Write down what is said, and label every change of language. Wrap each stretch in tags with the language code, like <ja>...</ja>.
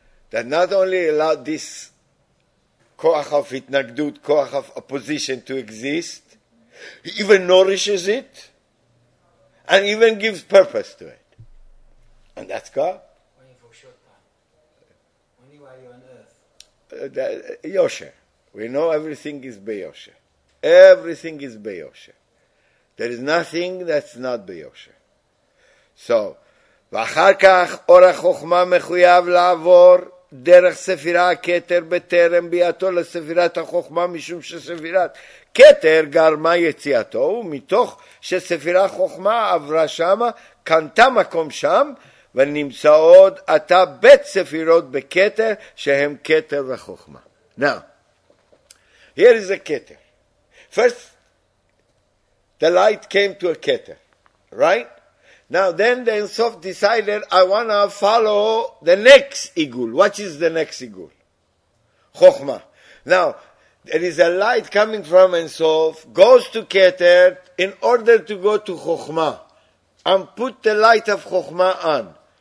<en>That not only allowed this koach of itnagdut, koach of opposition to exist, he even nourishes it, and even gives purpose to it. And that's God. Only for a short time. Only while you're on earth. Yosha. We know everything is Beyosha. Everything is Beyosha. There is nothing that's not Beyosha.</en> <he>So, v'achar kach orach chokhma mechuyav la'avor דרך ספירה הכתר בטרם ביאתו לספירת החוכמה משום שספירת כתר גרמה יציאתו ומתוך שספירה חוכמה עברה שמה קנתה מקום שם ונמצא עוד עתה בית ספירות בכתר שהם כתר וחוכמה.</he> <en>Now, here is a כתר. First, the light came to a כתר, right? Now then the Ein Sof decided, I want to follow the next igul. What is the next igul? Chochmah. Now, there is a light coming from Ein Sof, goes to Keter in order to go to Chochmah and put the light of Chochmah on.</en>